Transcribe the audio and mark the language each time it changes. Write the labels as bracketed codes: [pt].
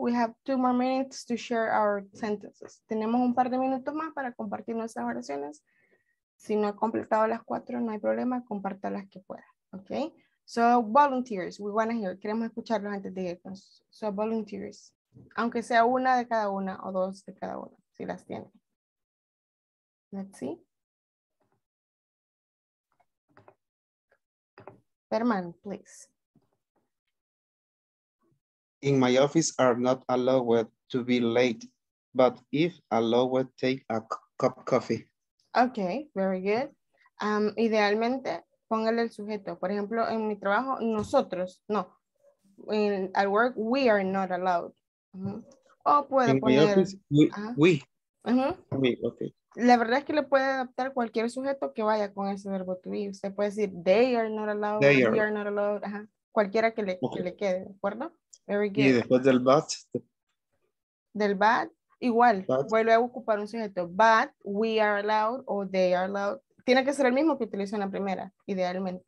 [en] We have 2 more minutes to share our sentences. [es] Tenemos un par de minutos más para compartir nuestras oraciones. Si no ha completado las 4, no hay problema, comparta las que pueda. [en] Okay? So, volunteers, we want to hear. [es] Queremos escucharlos antes de irnos. [en] So, volunteers. [es] Aunque sea una de cada una o dos de cada una, si las tiene. [en] Let's see. Berman, please. In my office are not allowed to be late, but if allowed, take a cup of coffee. Okay, very good. [es] Idealmente, póngale el sujeto. Por ejemplo, en mi trabajo, nosotros, no. [en] In, at work, we are not allowed. [es] Uh-huh. O puede [en] in [es] poner... [en] In office, we. Uh-huh. We, okay. [es] La verdad es que le puede adaptar cualquier sujeto que vaya con ese verbo to be. Usted puede decir, [en] they are not allowed, they are. We are not allowed. [es] Ajá. Cualquiera que le, okay. que le quede, ¿de acuerdo? [en] Very good. [es] Y después del but. Del but, igual. But. Vuelve a ocupar un sujeto. [en] But, we are allowed o they are allowed. [es] Tiene que ser el mismo que utilizó en la primera, idealmente.